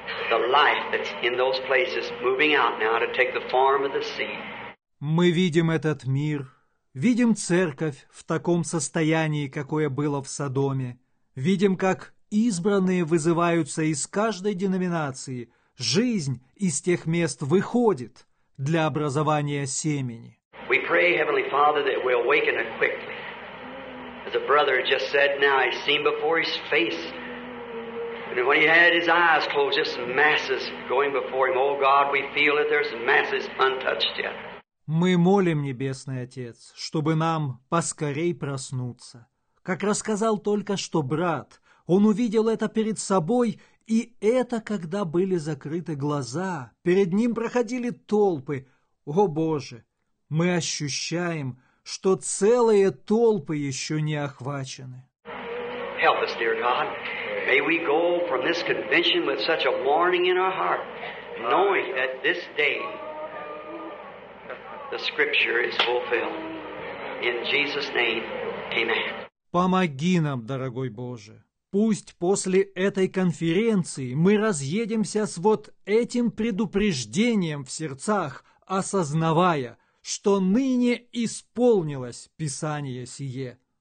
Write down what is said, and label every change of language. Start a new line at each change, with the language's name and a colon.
English: The life that's in those places moving out now to take the form of the seed.
Russian: Мы видим этот мир, видим церковь в таком состоянии, какое было в Содоме. Видим, как избранные вызываются из каждой деноминации, жизнь из тех мест выходит для образования семени.
English: We pray, Heavenly Father, that we awaken it quickly. As a brother just said now, he's seen before his face. And when he had his eyes closed, just masses going before him. Oh God, we feel that there's masses untouched yet.
Russian: Мы молим, Небесный Отец, чтобы нам поскорей проснуться. Как рассказал только что брат, он увидел это перед собой. И это, когда были закрыты глаза, перед ним проходили толпы. О Боже, мы ощущаем, что целые толпы еще не охвачены.
English: Help us, dear God. May we go from this convention with such a warning in our heart, knowing that this day the scripture is fulfilled. In Jesus' name, amen.
Russian: Помоги нам, дорогой Боже. Пусть после этой конференции мы разъедемся с вот этим предупреждением в сердцах, осознавая, что ныне исполнилось Писание сие.